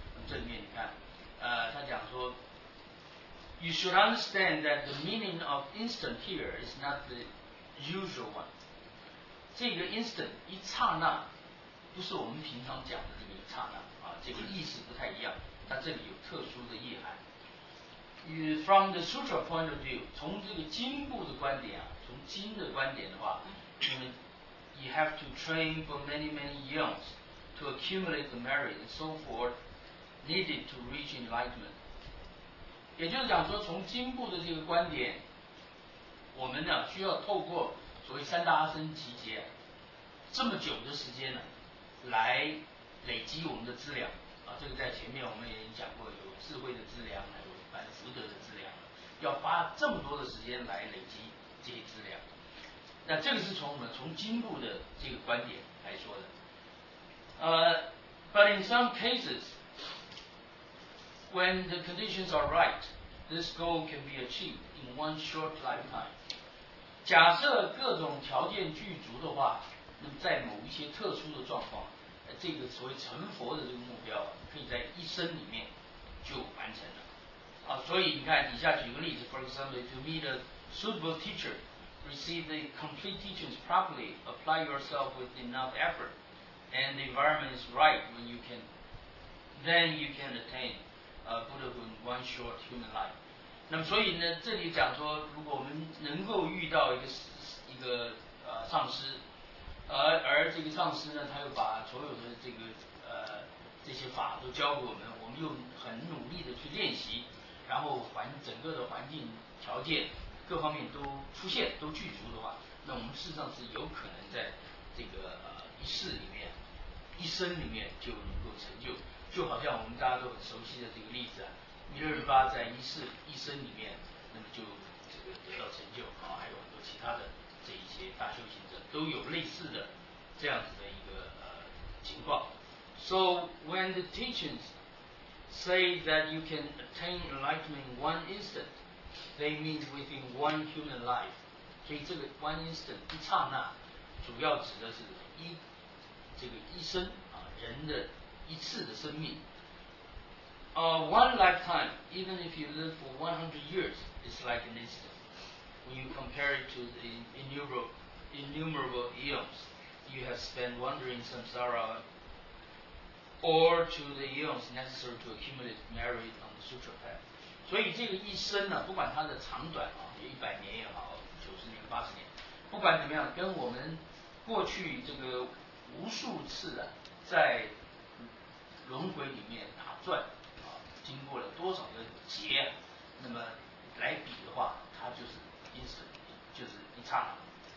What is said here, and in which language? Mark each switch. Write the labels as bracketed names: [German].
[Chinese] 这里面你看他讲说 [English] You should understand that the meaning of instant here is not the usual one. [Chinese] 这个 instant, 一刹那不是我们平常讲的这个一刹那这个意思不太一样，它这里有特殊的意涵。 [English] From the sutra point of view, [Chinese] 从这个经部的观点从经的观点的话 [English] you have to train for many, many years to accumulate the merit and so forth needed to reach enlightenment. [Chinese] 也就是讲说从经部的这个观点我们需要透过所为三大阿僧集结这么久的时间呢，来累积我们的资粮啊。这个在前面我们也讲过，有智慧的资粮，还有反福德的资粮，要花这么多的时间来累积这些资粮。那这个是从我们从经部的这个观点来说的。 [English] But in some cases, when the conditions are right, this goal can be achieved in one short lifetime. [Chinese] 假设各种条件具足的话，那么在某一些特殊的状况，这个所谓成佛的这个目标可以在一生里面就完成了。啊，所以你看，以下举个例子 [English] ，For example, to meet a suitable teacher, receive the complete teachings properly, apply yourself with enough effort. And the environment is right when you can, then you can attain Buddhahood in one short human life. [Chinese] 那么所以呢，这里讲说，如果我们能够遇到一个上师，而这个上师呢，他又把所有的这个这些法都教给我们，我们又很努力的去练习，然后整个的环境条件各方面都出现都具足的话，那我们事实上是有可能在这个一世里面。一生里面就能够成就，就好像我们大家都很熟悉的这个例子啊，弥勒仁巴在一生里面，那么就这个得到成就啊，还有很多其他的这一些大修行者都有类似的这样子的一个情况。 [English] So when the teachings say that you can attain enlightenment in one instant, they mean within one human life. [Chinese] 所以这个 [English] one instant [Chinese] 一刹那，主要指的是这个一生啊，人的一次的生命。 [English] One lifetime, even if you live for 100 years, is like an instant. When you compare it to the innumerable eons you have spent wandering samsara, or to the eons necessary to accumulate merit on the sutra path. [Chinese] 所以这个一生呢，不管它的长短啊，有一百年也好，九十年、八十年，不管怎么样，跟我们过去这个。无数次啊，在轮回里面打转啊，经过了多少个劫啊，那么来比的话，它就是因此就是一刹那。